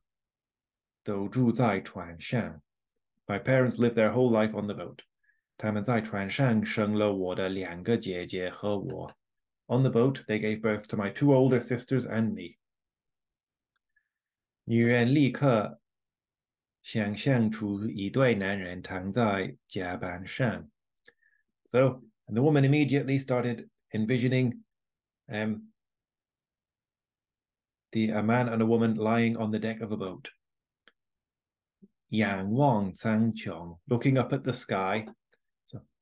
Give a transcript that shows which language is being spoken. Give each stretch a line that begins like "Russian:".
Chinese: 男人说,我的父母一辈子都住在船上.
English: My parents lived their whole life on the boat.
Chinese: 他们在船上生了我的两个姐姐和我.
English: On the boat, they gave birth to my two older sisters and me.
Chinese: 女人立刻想象出一对男人躺在甲板上.
English: So, and the woman immediately started envisioning a man and a woman lying on the deck of a boat.
Chinese: 仰望苍穹,
English: looking up at the sky. So,